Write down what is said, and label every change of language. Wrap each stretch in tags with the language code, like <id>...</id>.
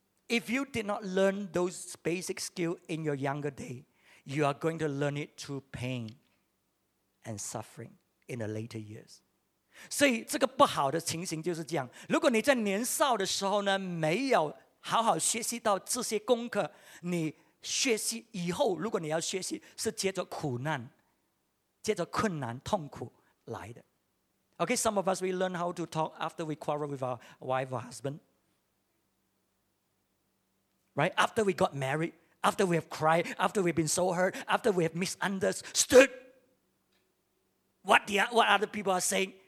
<en>If you did not learn those basic skills in your younger day, you are going to learn it through pain and suffering in the later years.</en> <zh>所以这个不好的情形就是这样。如果你在年少的时候呢，没有好好学习到这些功课，你学习以后，如果你要学习，是接着苦难，接着困难，痛苦来的。</zh> <en>Okay, some of us, we learn how to talk after we quarrel with our wife or husband. Right? After we got married, after we have cried, after we've been so hurt, after we have misunderstood what other people are saying.</en>